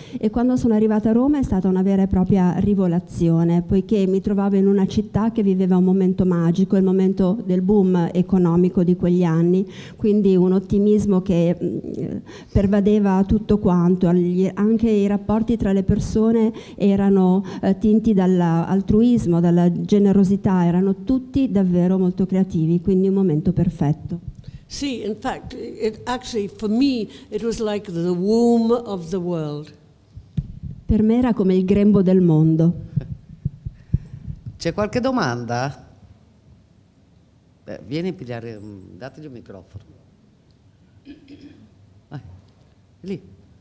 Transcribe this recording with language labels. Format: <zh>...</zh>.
<it>E quando sono arrivata a Roma è stata una vera e propria rivelazione, poiché mi trovavo in una città che viveva un momento magico, il momento del boom economico di quegli anni, quindi un ottimismo che pervadeva tutto quanto, anche i rapporti tra le persone erano tinti dall'altruismo, dalla generosità, erano tutti davvero molto creativi, quindi un momento perfetto.</it> <en>Sì, in fact, it actually for me it was like the womb of the world.</en> <it>Per me era come il grembo del mondo. C'è qualche domanda? Beh, vieni a pigliare, dategli un microfono. Lì.</it>